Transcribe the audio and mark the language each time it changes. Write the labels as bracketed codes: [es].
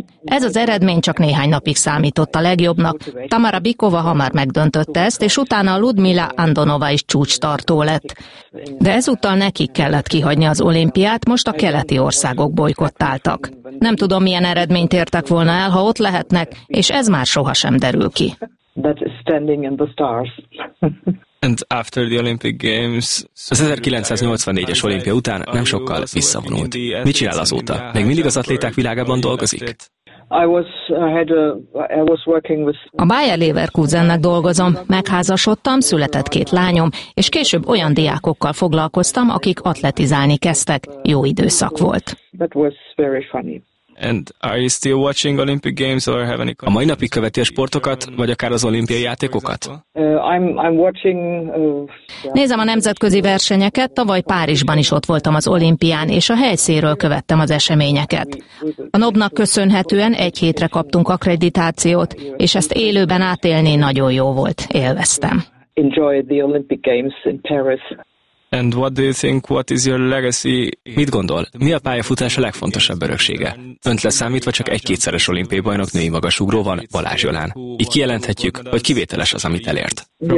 [hu] Ez az eredmény csak néhány napig számított a legjobbnak. Tamara Bikova hamar megdöntötte ezt, és utána Ludmila Andonova is csúcstartó lett. De ezúttal nekik kellett kihagyni az olimpiát, most a keleti országok bojkottáltak. Nem tudom, milyen eredményt értek volna el, ha ott lehetnek, és ez már sohasem derül ki. [en] That is standing in the stars. And after the Olympic Games, [hu] az 1984-es olimpia után nem sokkal visszavonult. Mit csinál azóta? Még mindig az atléták világában dolgozik? A Bayer Leverkusennek dolgozom, megházasodtam, született 2 lányom, és később olyan diákokkal foglalkoztam, akik atletizálni kezdtek. Jó időszak volt. [en] That was very funny. And are you still watching Olympic Games or have any? [hu] A mai napig követi a sportokat, vagy akár az olimpiai játékokat? Nézem a nemzetközi versenyeket, tavaly Párizsban is ott voltam az olimpián, és a helyszínről követtem az eseményeket. A NOB-nak köszönhetően egy hétre kaptunk akkreditációt, és ezt élőben átélni nagyon jó volt, élveztem. [en] Enjoyed the Olympic Games in Paris. And what do you think, what is your legacy? [hu] Mit gondol? Mi a pályafutása legfontosabb öröksége? Önt leszámítva csak egy kétszeres olimpiai bajnok női magasugró van, Balázs Jolán. Így kijelenthetjük, hogy kivételes az, amit elért.